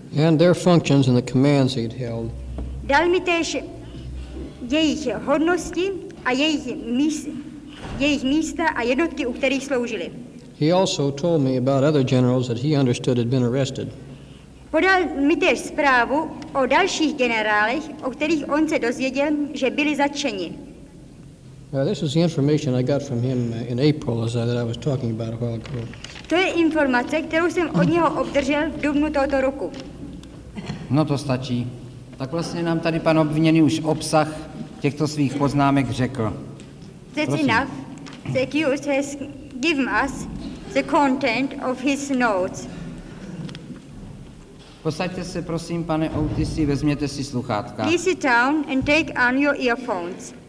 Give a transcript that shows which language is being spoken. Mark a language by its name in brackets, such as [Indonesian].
[English] And their functions and the commands he'd held. [Czech] Dal mi též jejich hodnosti a jejich místa a jednotky, u kterých sloužili. [English] He also told me about other generals that he understood had been arrested. [Czech] Podal mi též zprávu o dalších generálech, o kterých on se dozvěděl, že byli zatčeni. [English] This is the information I got from him in April, as that I was talking about a while ago. [Czech] To je informace, kterou jsem od něho obdržel v dubnu tohoto roku. No to stačí. Tak vlastně nám tady pan obviněný už obsah těchto svých poznámek řekl. [English] That's enough. The accused has given us the content of his notes. [Czech] Posaďte se, prosím, pane Otisi, vezměte si sluchátka. [English] Please sit down and take on your earphones.